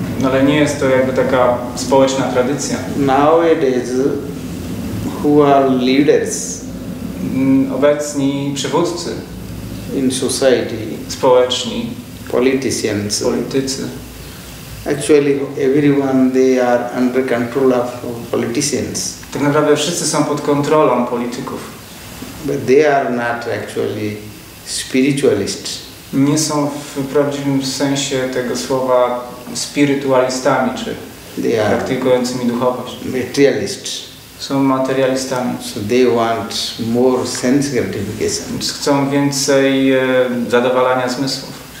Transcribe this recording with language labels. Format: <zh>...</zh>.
<pl>No ale nie jest to jakby taka społeczna tradycja.</pl> <en>Nowadays, who are leaders?</en> <pl>Obecni przywódcy.</pl> <en>In society.</en> <pl>Społeczni.</pl> <en>Politicians.</en> <pl>Politycy.</pl> <en>Actually, everyone, they are under control of politicians.</en> <pl>Tak naprawdę wszyscy są pod kontrolą polityków.</pl> <en>But they are not actually spiritualists.</en> <pl>Nie są w prawdziwym sensie tego słowa spiritualistami, czy</pl> <en>they are</en> <pl>praktykującymi duchowość.</pl> <en>Materialists.</en> <pl>Są materialistami.</pl> <en>So they want more sense gratification.</en> <pl>Chcą więcej zadowalania zmysłów.</pl>